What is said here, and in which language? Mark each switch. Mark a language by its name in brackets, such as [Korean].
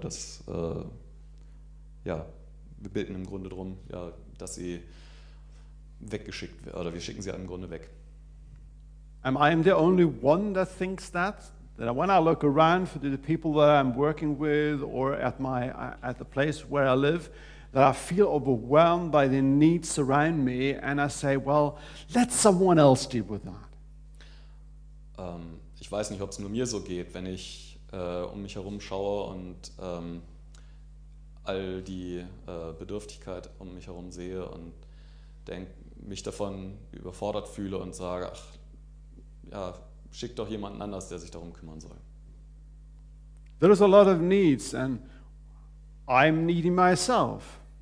[German] Dass ja, wir beten im Grunde darum, ja, dass sie weggeschickt oder wir schicken sie im Grunde weg. [English] Am I the only one that thinks that? that when I look around for the people that I'm working with or at the place where I live, that I feel overwhelmed by the needs around me, and I say, well, let someone else deal with that. [German] Ich weiß nicht, ob es nur mir so geht, wenn ich um mich herum schaue und all die Bedürftigkeit um mich herum sehe und mich davon überfordert fühle und sage, ach, ja, schick doch jemanden anders, der sich darum kümmern soll. [English] There is a lot of needs and I'm needy myself.